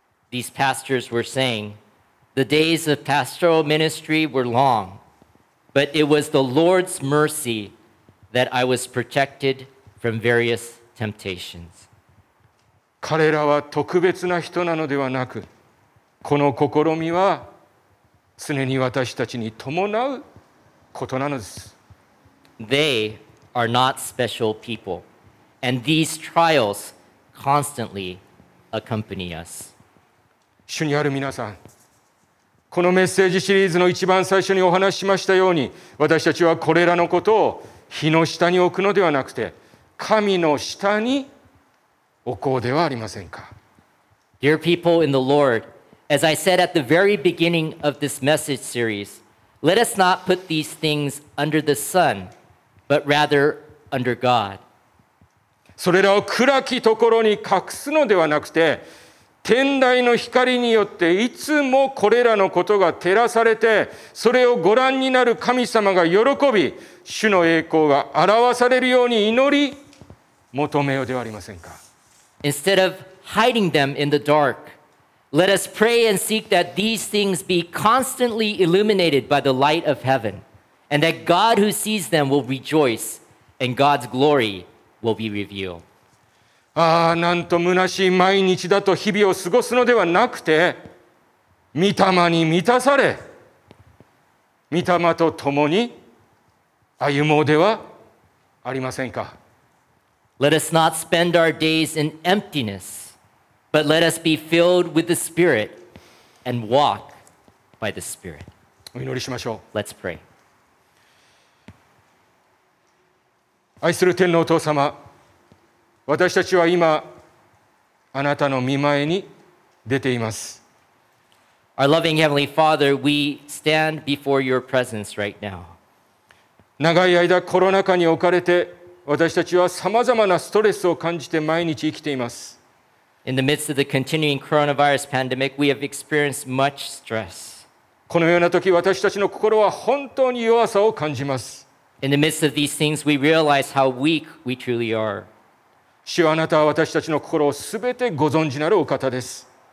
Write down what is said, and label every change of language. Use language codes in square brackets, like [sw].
[en] These pastors were saying, The days of pastoral ministry were long, but it was the Lord's mercy that I was protected from various temptations. [ja] 彼らは特別な人なのではなく、この試みは常に私たちに伴うことなのです。 [en] They are not special people, and these trials constantly accompany us. [ja] 主にある皆さん、このメッセージシリーズの一番最初にお話しましたように、私たちはこれらのことを火の下に置くのではなくて、神の下に置こうではありませんか。 [en] Dear people in the Lord, as I said at the very beginning of this message series, let us not put these things under the sun, but rather under God. [ja] それらを暗きところに隠すのではなくて、天台の光によっていつもこれらのことが照らされて、それをご覧になる神様が喜び、主の栄光が表されるように祈り求めようではありませんか。 [en] Instead of hiding them in the dark, let us pray and seek that these things be constantly illuminated by the light of heaven, and that God who sees them will rejoice, and God's glory will be revealed. [ja] ああ、なんと虚しい毎日だと日々を過ごすのではなくて、御霊に満たされ、御霊と共に歩もうではありませんか。 [en] Let us not spend our days in emptiness, but let us be filled with the Spirit and walk by the Spirit. [ja] お祈りしましょう。 [en] Let's pray. [ja] 愛する天のお父様、私たちは今あなたの御前に出ています。 [en] Our loving Heavenly Father, we stand before your presence right now. [ja] 長い間コロナ禍に置かれて、私たちはさまざまなストレスを感じて毎日生きています。 [en] In the midst of the continuing coronavirus pandemic, we have experienced much stress. [ja] このような時、私たちの心は本当に弱さを感じます。 [en] In the midst of these things, we realize how weak we truly are. [ja] 主はあなたは私たちの心をすべてご存知なるお方です。